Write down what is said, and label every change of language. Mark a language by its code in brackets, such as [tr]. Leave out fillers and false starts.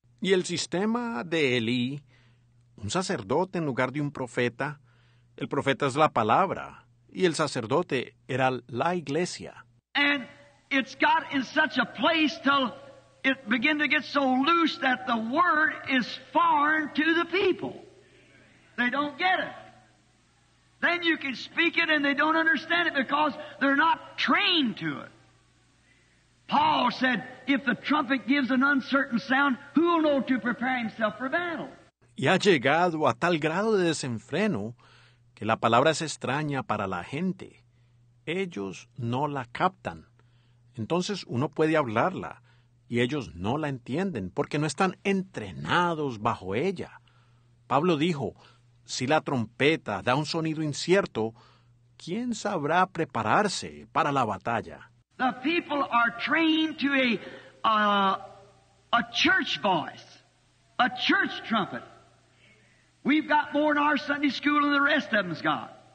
[es] Y el sistema de Elí, un sacerdote en lugar de un profeta, el profeta es la palabra, y el sacerdote era la iglesia. [en] And it's got in such a place till it began to get so loose that the word is foreign to the people. They don't get it. Then you can speak it and they don't understand it because they're not trained to it. Paul said, if the trumpet gives an uncertain sound, who will know to prepare himself for battle? [es] Y ha llegado a tal grado de desenfreno que la palabra es extraña para la gente. Ellos no la captan. Entonces uno puede hablarla y ellos no la entienden porque no están entrenados bajo ella. Pablo dijo, si la trompeta da un sonido incierto, ¿quién sabrá prepararse para la batalla? [en] The people are trained to a church voice, a church trumpet. We've got more in our Sunday school than the rest of them's got.